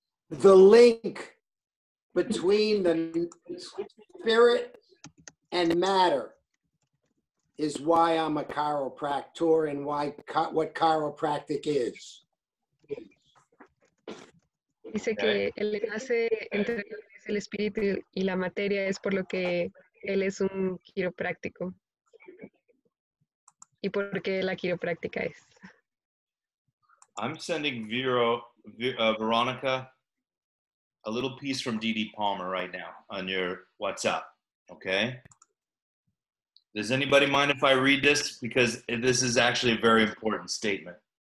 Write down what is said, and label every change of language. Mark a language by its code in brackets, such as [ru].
[en] The link between the spirit and matter is why I'm a chiropractor and why what chiropractic is. [es] Dice que el enlace entre el espíritu y la materia es por lo que él es un quiropráctico. Y por qué la quiropráctica es. [en] I'm sending Veronica a little piece from D.D. Palmer right now on your WhatsApp, okay? Does anybody mind if I read this? Because this is actually a very important statement.